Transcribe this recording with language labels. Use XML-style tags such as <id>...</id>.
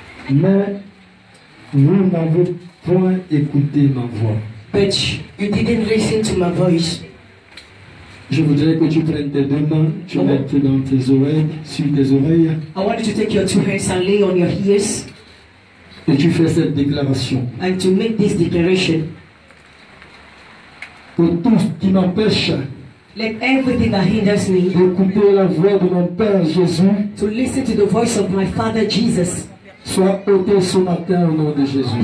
<fr>Mais vous n'avez point écouté ma voix.</fr> <en>But you didn't listen to my voice.</en> <fr>Je voudrais que tu prennes tes deux mains, tu mettes dans tes oreilles, sur tes oreilles.</fr> <en>I want you to take your two hands and lay on your ears.</en> <fr>Et tu fais cette déclaration.</fr> <en>And to make this declaration.</en> <fr>Pour tout ce qui m'empêche d'écouter la voix de mon Père Jésus,</fr> <en>to listen to the voice of my Father Jesus,</en> <fr>soit ôté ce matin au nom de Jésus.</fr>